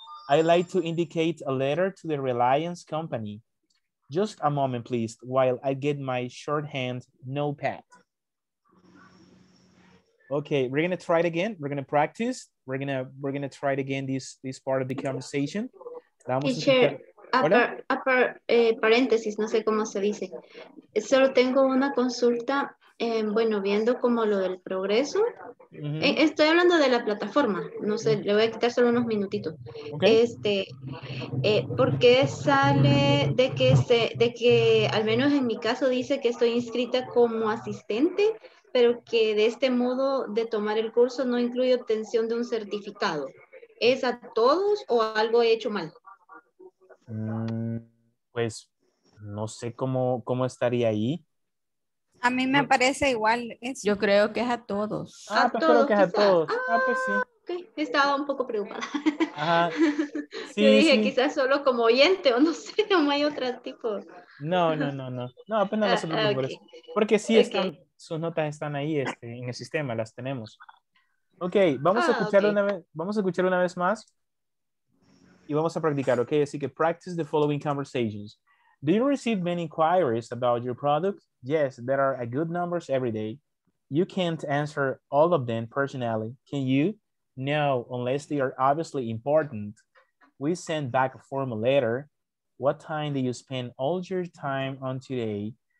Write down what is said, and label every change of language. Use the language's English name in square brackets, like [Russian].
[English] I like to indicate a letter to the Reliance company. Just a moment, please, while I get my shorthand notepad. Okay, we're gonna try it again. We're gonna practice. We're gonna try it again, this part of the conversation. [Spanish] Paréntesis, no sé cómo se dice. Solo tengo una consulta, bueno, viendo como lo del progreso. Uh-huh. Estoy hablando de la plataforma, no sé, le voy a quitar solo unos minutitos. Okay. ¿Por qué sale de que al menos en mi caso dice que estoy inscrita como asistente, pero que de este modo de tomar el curso no incluye obtención de un certificado? ¿Es a todos o algo he hecho mal? Pues no sé cómo estaría ahí. A mí me parece igual. Eso. Yo creo que es a todos. Creo que es a todos. Pues sí. Okay. Estaba un poco preocupada. Ajá. Sí, yo dije, sí. Quizás solo como oyente o no sé, no hay otro tipo. No. No, apenas no se preocupen por eso. Porque sí, okay. Están, sus notas están ahí en el sistema, las tenemos. Ok, vamos a escuchar una vez más y vamos a practicar, ok? Así que [English] practice the following conversations. Do you receive many inquiries about your product? Yes, there are a good numbers every day. You can't answer all of them personally, can you? No, unless they are obviously important. We send back a formal letter. What time do you spend all your time on today?